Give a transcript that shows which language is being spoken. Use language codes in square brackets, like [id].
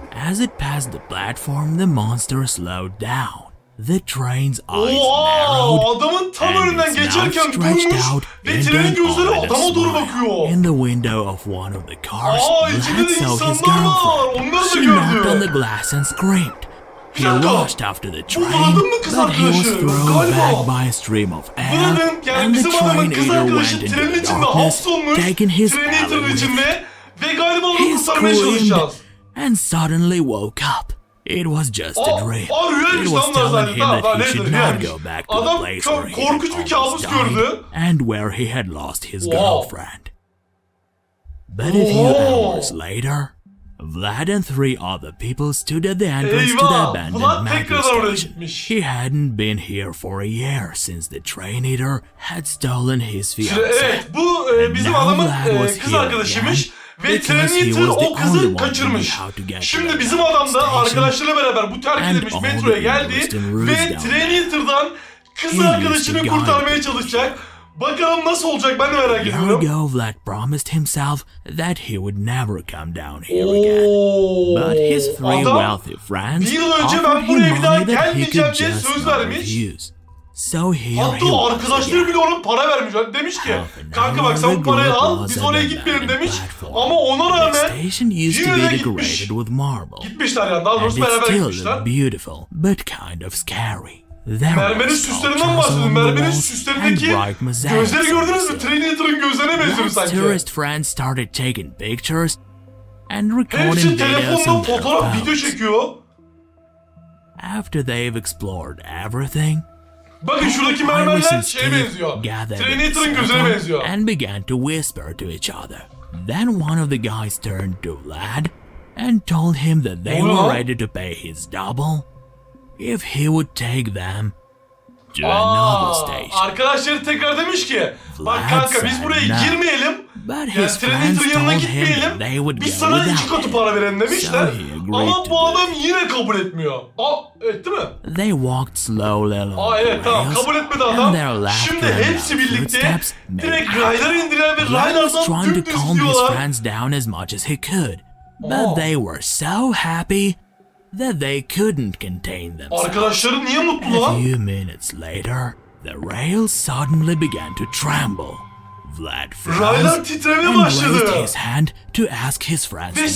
[en] As it passed the platform, the monster slowed down. The train's eyes narrowed. [tr] Adamın tam önünden geçerken durmuş out, ve trenin gözleri adama doğru bakıyor. [en] In the window of one of the cars, Vlad saw his girlfriend. She knocked on the glass and screamed. He rushed after the train, but he was thrown back by a stream of air. And the train eater went into darkness, taking his he screamed. And suddenly woke up. It was just a dream. It was telling him that he should not go back to the place where he had almost died and where he had lost his girlfriend. But a few hours later, Vlad and three other people stood at the entrance to the abandoned metro station. He hadn't been here for a year since the train eater had stolen his fiance. [tr] Ve Trenator o kızı kaçırmış. Şimdi bizim adam da arkadaşlarıyla beraber bu terk edilmiş metroya geldi ve Trenator'dan kız arkadaşını kurtarmaya çalışacak. Bakalım nasıl olacak, ben de merak ediyorum. [en] Long ago, Vlad promised himself that he would never come down here again. But his three wealthy friends offered him money that he could just not refuse. So [tr] hatta arkadaşları bile ona para vermiş. Yani demiş ki, kanka bak sen bu parayı al, biz oraya gitmeyelim demiş. Ama ona rağmen yine de gitmiş. Gitmişler yani, daha doğrusu beraber gitmişler. [en] Kind of scary. [tr] Mermerin süslerinden bahsedin. Mermerin süslerindeki gözleri gördünüz mü? Train Eater'ın gözlerine benziyor sanki. [en] Tourist friends started taking pictures and recording videos [tr] and fotoğraf video çekiyor. [en] After they've explored everything, [tr] bakın şuradaki mermerler şeye benziyor. Train Eater'ın gözüne benziyor. [en] And began to whisper to each other. Then one of the guys turned to Vlad and told him that they were ready to pay his double if he would take them to another station. [tr] Arkadaşları tekrar demiş ki, bak kanka biz buraya girmeyelim. [en] But his friends told him that they would go without him. [tr] Biz sana iki katı para verelim demişler. Ama bu adam yine kabul etmiyor. Etti mi? [en] They walked slowly along the rails. [tr] Tamam, kabul etmedi adam. Şimdi hepsi birlikte direkt raylara indiren ve raylardan dümdüz diyorlar. [en] Down as much as he could. But they were so happy that they couldn't contain themselves. [tr] Arkadaşları niye mutlu lan? [en] A few minutes later, the rails suddenly began to tremble. Vlad raised his hand to ask his friends